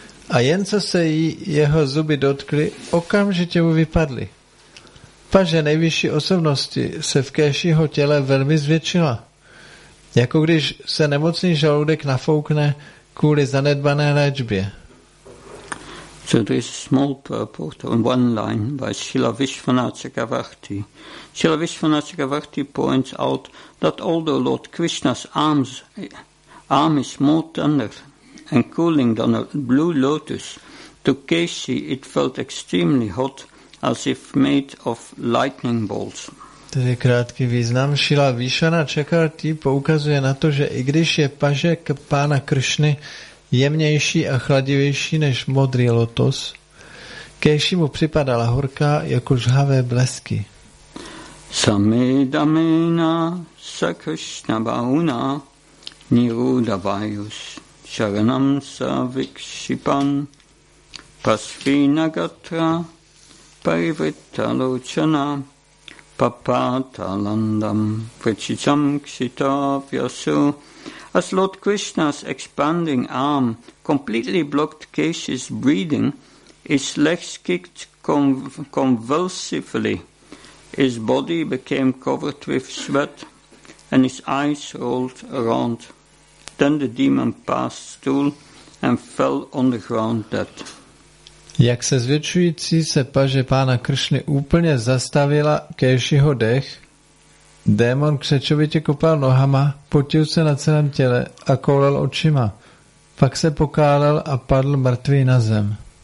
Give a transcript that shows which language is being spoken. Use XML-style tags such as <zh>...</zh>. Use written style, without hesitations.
<cs>A jen co se jí jeho zuby dotkly, okamžitě mu vypadly. Paže nejvyšší osobnosti se v Kishiho těle velmi zvětšila. Jako když se nemocný žaludek nafoukne kvůli zanedbané léčbě.</cs> <en>So there is a small purport on one line by Srila Vishwanatha Chakravarti. Srila Vishwanatha Chakravarti points out that although Lord Krishna's arm is more tender and cooling than a blue lotus, to Kishi it felt extremely hot as if made of lightning bolts.</en> <cs>Tedy krátký význam. Srila Vishwanatha Chakravarti poukazuje na to, že i když je paže pána Kršny jemnější a chladivější než modrý lotos, Kishi mu připadala horká jako žhavé blesky.</cs> <sa>Samedamena Sakrishna Bahuna Nirudavayus Sharanam Savikshipan Pasvinagatra Parivrittalochana Papatalandam Vrichicham Kshitavyasu.</sa> <en>As Lord Krishna's expanding arm completely blocked Kesha's breathing, his legs kicked convulsively, his body became covered with sweat, and his eyes rolled around. Then the demon passed stool and fell on the ground dead.</en> <cs>Jak se zvětšující se paže pána Kršny úplně zastavila Kešiho dech, démon křečovitě kopal nohama, potil se na celém těle a koulel očima. Pak se pokálel a padl mrtvý na zem.</cs>